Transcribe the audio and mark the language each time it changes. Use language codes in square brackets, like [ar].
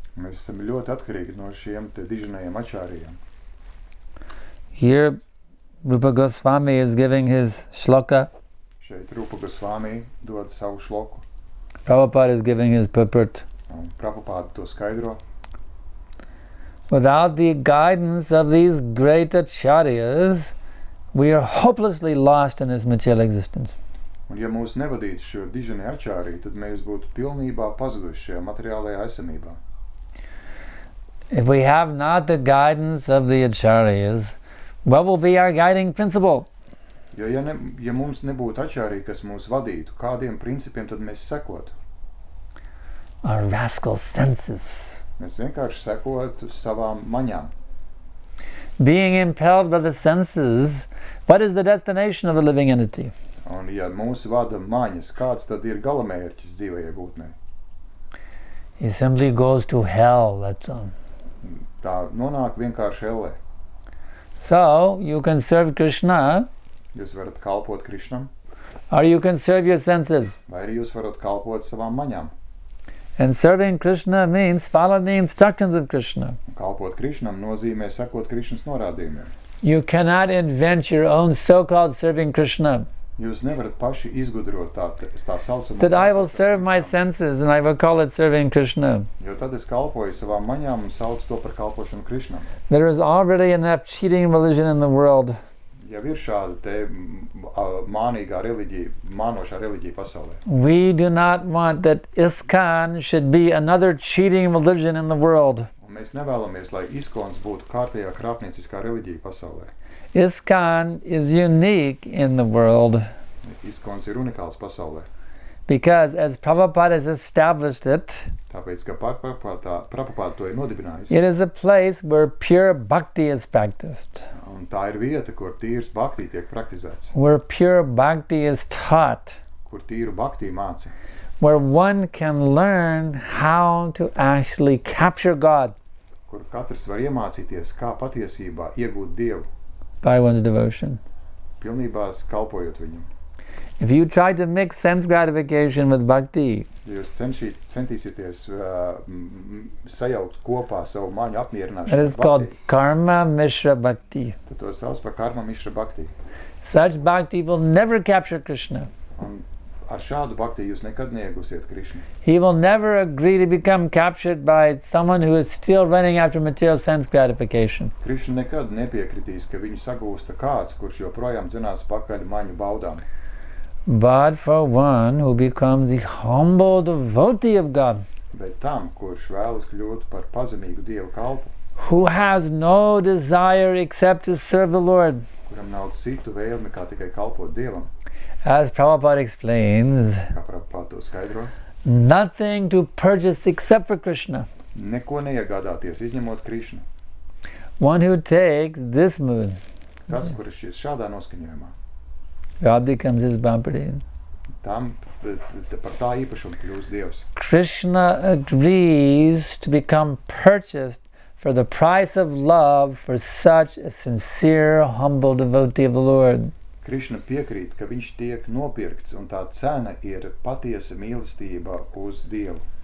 [lv] Mēs esam ļoti atkarīgi no šiem te dižinajiem acharyām. [en] Here Rupa Goswami is giving his shloka. [lv] Šeit Rupa Goswami dod savu šloku. [en] Prabhupāda is giving his purport. [lv] Prabhupāda to skaidro. [en] Without the guidance of these great acharyas, we are hopelessly lost in this material existence. [lv] Un ja mūs nevadītu šo dižinie ačārī, tad mēs būtu pilnībā pazuduši šajā materiālajā esamībā. [en] If we have not the guidance of the ācāryas, what will be our guiding principle? [lv] Jo ja mums nebūtu ačārī, kas mūs vadītu, kādiem principiem tad mēs sekotu? [en] Our rascal senses. [lv] Mēs vienkārši sekotu savām maņām. [en] Being impelled by the senses, what is the destination of a living entity? [lv] Un ja mūs vada maņas, kāds tad ir galamērķis dzīvajai būtnei? [en] He simply goes to hell, that's all. [lv] Tā nonāk vienkārši ellē. [en] So, you can serve Krishna. [lv] Jūs varat kalpot Krishnam. [en] Or you can serve your senses. [lv] Vai arī jūs varat kalpot savām maņām. [en] And serving Krishna means following the instructions of Krishna. [lv] Kalpot Krishnam nozīmē sekot Krishnas norādījumiem. [en] You cannot invent your own so-called serving Krishna. [lv] Jūs nevarat paši izgudrot tā saucamu. [en] That I will serve my senses and I will call it serving Krishna. [lv] Jo tad es kalpoju savām maņām un saucu to par kalpošanu Krishnam. [en] There is already enough cheating religion in the world. [lv] Ja ir šāda te mānīgā religija, mānošā religija pasaulē. [en] We do not want that ISKCON should be another cheating religion in the world. [lv] Un mēs nevēlamies, lai ISKCON būtu kārtējā krāpnieciskā religija pasaulē. [en] ISKCON is unique in the world. [lv] ISKCON ir unikāls pasaulē. [en] Because as Prabhupada has established it, [lv] tāpēc, ka Prabhupada to ir nodibinājis, [en] it is a place where pure bhakti is practiced. [lv] Un tā ir vieta, kur tīrs bhakti tiek praktizēts. [en] Where pure bhakti is taught. [lv] Kur tīru bhakti māca. [en] Where one can learn how to actually capture God. [lv] Kur katrs var iemācīties, kā patiesībā iegūt Dievu. [en] By one's devotion. [lv] Pilnībā kalpojot viņam. [en] If you try to mix sense gratification with bhakti, [lv] jūs centīsieties sajaukt kopā savu maņu apmierināšanu. [en] That is called karma mishra bhakti. [lv] Tad to sauc par karma mishra bhakti. [en] Such bhakti will never capture Krishna. [lv] Un ar šādu bhakti jūs nekad neiegūsiet Krishna. [en] He will never agree to become captured by someone who is still running after material sense gratification. [lv] Krishna nekad nepiekritīs, ka viņu sagūsta kāds, kurš joprojām dzinās pakaļ maņu baudām. [en] But for one who becomes the humble devotee of God. [lv] Bet tam, kurš vēlas kļūt par pazemīgu Dievu kalpu. [en] Who has no desire except to serve the Lord. [lv] Kuram nav citu vēlmi, kā tikai kalpot Dievam. [en] As Prabhupada explains, [lv] kā Prabhupada to skaidro, [en] nothing to purchase except for Krishna. [lv] Neko neiegādāties, izņemot Krishna. [en] One who takes this mood, [lv] tas, kurš ir šādā noskaņojumā, [en] God becomes his bumper. [lv] tam par tā īpašumu kļūst Dievs. [en] Krishna agrees to become purchased for the price of love for such a sincere, humble devotee of the Lord. [lv] Krishna piekrīt, ka viņš tiek nopirkts, un tā cena ir patiesa mīlestība uz Dievu.